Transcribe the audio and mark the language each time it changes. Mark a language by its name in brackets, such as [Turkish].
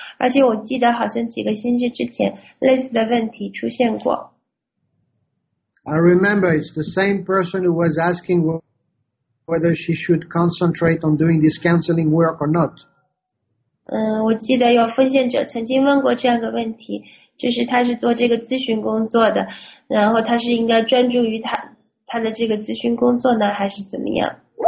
[Chinese] 而且我记得好像几个星期之前类似的问题出现过。 [English] I remember it's the same person who was asking whether she should concentrate on doing this counseling work or not. [Chinese] 我记得有奉献者曾经问过这样的问题。就是他是做这个咨询工作的，然后他是应该专注于他的这个咨询工作呢，还是怎么样？